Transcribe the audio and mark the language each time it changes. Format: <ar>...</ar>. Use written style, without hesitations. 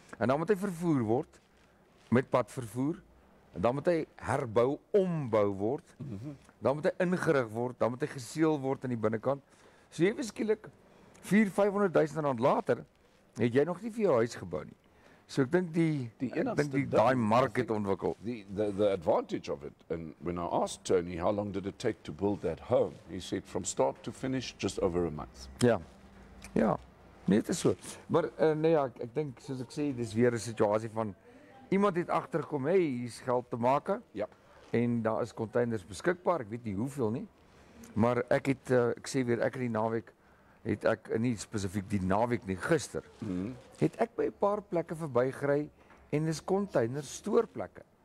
<af>En dan moet hy vervoer word met pad vervoer en dan moet hy herbou, ombou word. Mm-hmm. Dan moet hy ingerig word, dan moet hy geseël word aan die binnekant. So ewe skielik R500,000 later het jy nog nie vir jou huis gebou nie. So ek dink die mark het ontwikkel.</af> <en>The advantage of it, and when I asked Tony how long did it take to build that home, he said from start to finish just over a month.</en> <af>Ja. Ja. Nee, dit is so. Maar ek dink soos ek sê, dis weer 'n situasie van iemand het agtergekom, hey, hier's geld te maak. Ja. En daar is containers beskikbaar, ek weet nie hoeveel nie. Maar ek het ek sê weer ek in die naweek het ek nie spesifiek die naweek nie gister het ek by 'n paar plekke verbygery en dis container stoorplekke.</af>